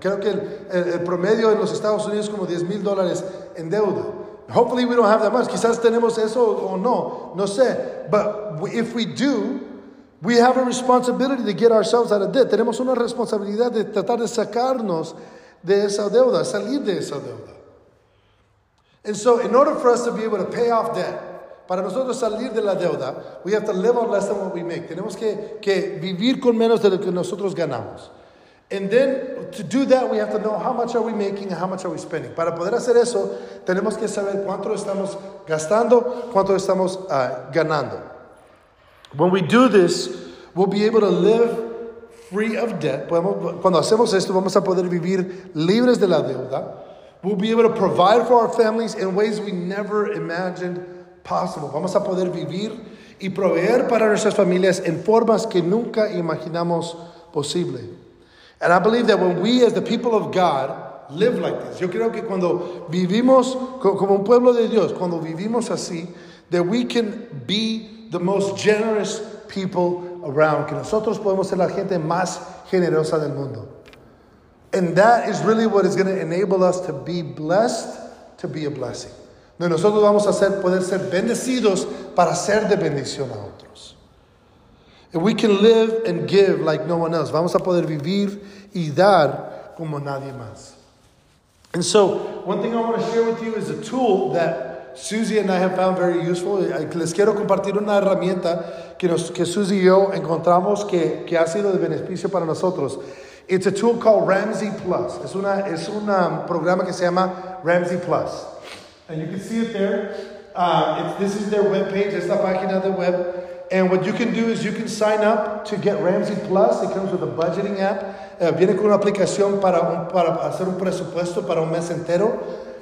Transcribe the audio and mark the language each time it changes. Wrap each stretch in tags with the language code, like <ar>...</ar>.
<es>Creo que el promedio en los Estados Unidos es como $10,000 en deuda.</es> <en>Hopefully we don't have that much.</en> <es>Quizás tenemos eso o no. No sé.</es> <en>But if we do, we have a responsibility to get ourselves out of debt.</en> <es>Tenemos una responsabilidad de tratar de sacarnos de esa deuda, salir de esa deuda.</es> <en>And so in order for us to be able to pay off debt,</en> <es>para nosotros salir de la deuda,</es> <en>we have to live on less than what we make.</en> <es>Tenemos que vivir con menos de lo que nosotros ganamos.</es> <en>And then to do that, we have to know how much are we making and how much are we spending.</en> <es>Para poder hacer eso, tenemos que saber cuánto estamos gastando, cuánto estamos ganando.</es> <en>When we do this, we'll be able to live free of debt.</en> <es>Cuando hacemos esto, vamos a poder vivir libres de la deuda.</es> <en>We'll be able to provide for our families in ways we never imagined possible.</en> <es>Vamos a poder vivir y proveer para nuestras familias en formas que nunca imaginamos posible.</es> <en>And I believe that when we, as the people of God, live like this,</en> <es>yo creo que cuando vivimos como un pueblo de Dios, cuando vivimos así,</es> <en>that we can be the most generous people around,</en> <es>que nosotros podemos ser la gente más generosa del mundo.</es> <en>And that is really what is going to enable us to be blessed, to be a blessing.</en> <es>De nosotros vamos a ser, poder ser bendecidos para ser de bendición a otros.</es> <en>And we can live and give like no one else.</en> <es>Vamos a poder vivir y dar como nadie más.</es> <en>And so, one thing I want to share with you is a tool that Susie and I have found very useful.</en> <es>Les quiero compartir una herramienta que Susie y yo encontramos que ha sido de beneficio para nosotros.</es> <en>It's a tool called Ramsey Plus.</en> <es>Es una programa que se llama Ramsey Plus.</es> <en>And you can see it there. This is their webpage.</en> <es>Esta página de web.</es> <en>And what you can do is you can sign up to get Ramsey Plus. It comes with a budgeting app.</en> <es>Viene con una aplicación para hacer un presupuesto para un mes entero.</es>